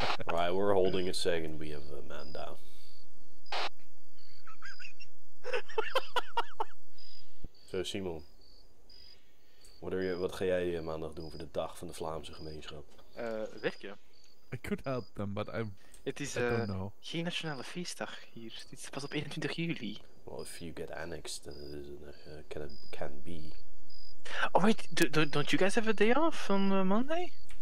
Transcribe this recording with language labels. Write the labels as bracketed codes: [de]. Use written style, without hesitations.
[en] Right, we're holding a second, we have a man down. [nl] So Simon, wat ga jij maandag doen voor de dag van de Vlaamse gemeenschap? Werken. [en] I could help them, but I'm... [nl] Het is geen nationale feestdag hier. Het is pas op 21 juli. [en] Well, if you get annexed, then it is can be. Oh wait, don't you guys have a day off on Monday?